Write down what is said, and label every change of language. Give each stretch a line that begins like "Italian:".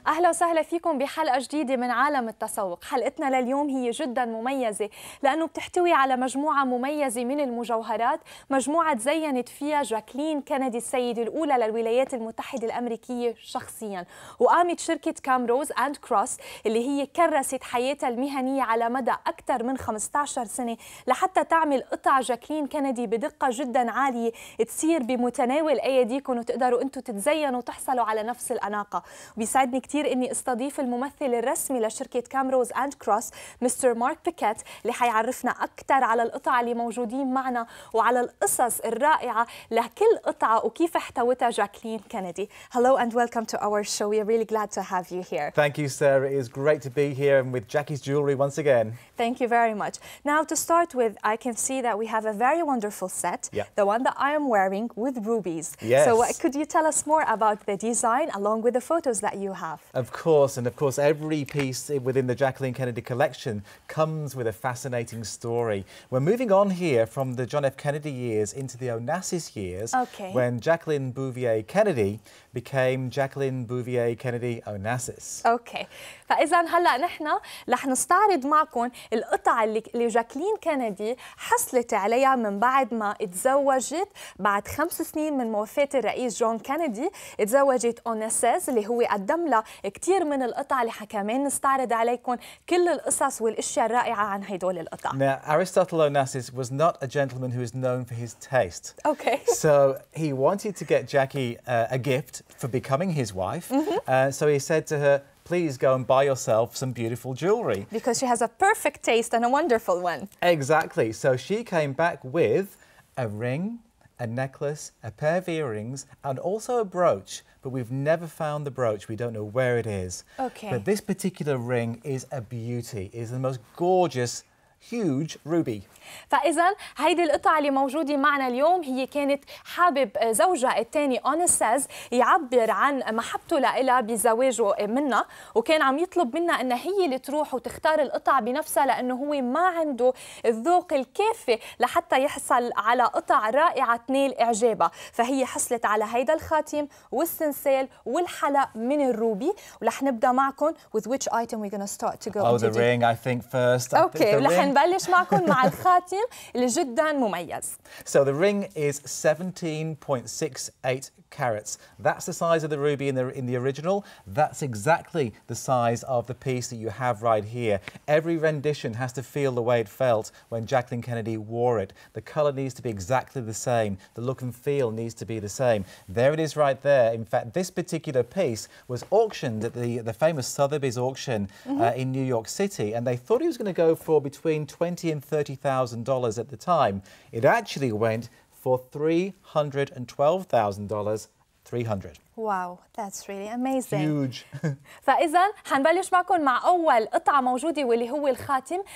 Arabic: وسهلا فيكم بحلقة جديدة من عالم التسوق. حلقتنا لليوم هي جدا مميزة لأنه بتحتوي على مجموعة مميزة من المجوهرات، مجموعة زينت فيها جاكلين كينيدي السيدة الأولى للولايات المتحدة الأمريكية شخصيا، وقامت شركة كامروز أند كروس اللي هي كرست حياتها المهنية على مدى أكثر من 15 سنة لحتى تعمل قطع جاكلين كينيدي بدقة جدا عالية تصير بمتناول أيديكم وتقدروا أنتم تتزينوا وتحصلوا على نفس الأناقة. وبيسعدني كثير اني استضيف الممثل الرسمي لشركه كامروز اند كروس مستر مارك بيكيت اللي حيعرفنا اكثر على القطع اللي موجودين معنا وعلى القصص الرائعه لكل قطعه وكيف احتوتها جاكلين كينيدي.
English: Hello and welcome to our show. We're really glad to have you here. Thank you, Sarah. It is great to be here and with Jackie's jewelry once again. Thank you very much. Now to start with, I can see that we have a very wonderful set, yeah. The one that I am wearing with rubies. Yes. So what could you tell us more about the design along with the photos that you have? Of course, and of course every piece within the Jacqueline Kennedy collection comes with a fascinating story. We're moving on here from the John F. Kennedy years into the Onassis years, okay. When Jacqueline Bouvier Kennedy became Jacqueline Bouvier Kennedy Onassis. Okay.
Arabic: فإذا هلا نحن رح نستعرض معكم القطع اللي جاكلين كينيدي حصلت عليها من بعد ما اتزوجت بعد 5 سنين من وفاة الرئيس جون كينيدي. اتزوجت أوناسيس اللي هو قدم لها كتير من القطع اللي حكمان نستعرض عليكم كل القصص والأشياء الرائعة عن هيدول القطع.
English: Now Aristotle Onassis was not a gentleman who is known for his taste. Okay. So he wanted to get Jackie a gift for becoming his wife. So he said to her, please go and buy yourself some beautiful jewelry. Because she has a perfect taste and a wonderful one. Exactly. So she came back with a ring, a necklace, a pair of earrings, and also a brooch. But we've never found the brooch. We don't know where it is. Okay. But this particular ring is a beauty. It is the most gorgeous huge ruby.
Arabic: فإذا هيدي القطعة اللي موجودة معنا اليوم هي كانت حابب زوجها الثاني أوناسيس يعبر عن محبته لإلها بزواجه منها، وكان عم يطلب منها إن هي اللي تروح وتختار القطعة بنفسها لأنه هو ما عنده الذوق الكافي لحتى يحصل على قطع رائعة تنال إعجابها. فهي حصلت على هيدا الخاتم والسنسال والحلق من الروبي. ولح نبدأ معكم
English: with which item we're gonna start to go. Oh, the ring, I think first. Okay.
Arabic: نبلش معكم مع الخاتم اللي جدا مميز.
English: So the ring is 17.68 carats. That's the size of the ruby in the original. That's exactly the size of the piece that you have right here. Every rendition has to feel the way it felt when Jacqueline Kennedy wore it. The color needs to be exactly the same. The look and feel needs to be the same. There it is right there. In fact, this particular piece was auctioned at the famous Sotheby's auction in New York City, and they thought he was going to go for between $20,000 and $30,000 at the time. It actually went for $312,000. Wow, that's really amazing. Huge.
Arabic: فإذا حنبلش معكم مع أول قطعة موجودة واللي هو الخاتم.